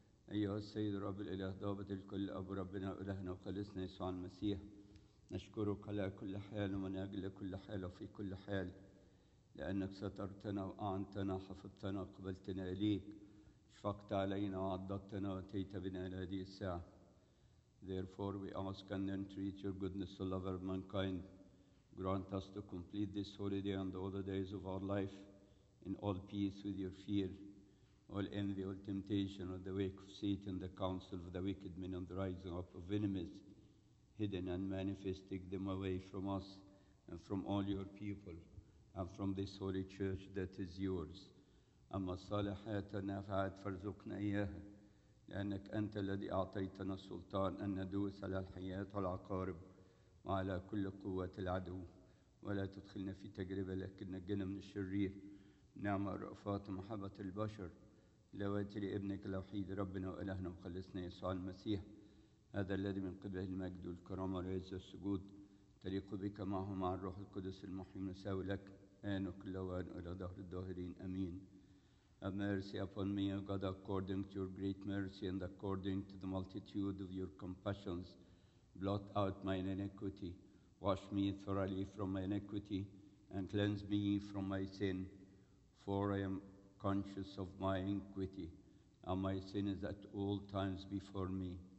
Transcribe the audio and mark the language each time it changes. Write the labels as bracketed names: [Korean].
[Arabic] أيها السيد رب الإله ضابط الكل أبو ربنا وإلهنا وخلصنا يسوع المسيح، نشكرك على كل حال ومن أجل كل حال وفي كل حال، لأنك سترتنا وأعنتنا وحفظتنا وقبلتنا إليك، شفقت علينا وعضدتنا وأتيت بنا إلى هذه الساعة. [English] Therefore we ask and entreat your goodness to love our mankind. Grant us to complete this holy day and all the days of our life in all peace with your fear, all envy, all temptation, all the wake of Satan, the counsel of the wicked men and the rising up of enemies, hidden and manifest, take them away from us and from all your people and from this holy church that is yours. [Arabic] أما الصالحات النافعات فارزقنا إياها، لأنك أنت الذي أعطيتنا السلطان أن ندوس على الحياة والعقارب وعلى كل قوة العدو، ولا تدخلنا في تجربة لكن نجنا من الشرير. نعم الرأفات محبة البشر لواتي لابنك الوحيد ربنا وإلهنا وخلصنا يسوع المسيح، هذا الذي من قبل المجد والكرامة والعزة والسجود تليق بك معه مع الروح القدس المحيي المساوي لك آن وكل وآن إلى دهر الدهرين أمين. [English] Have mercy upon me, O God, according to your great mercy and according to the multitude of your compassions. Blot out my iniquity, wash me thoroughly from my iniquity, and cleanse me from my sin. For I am conscious of my iniquity, and my sin is at all times before me.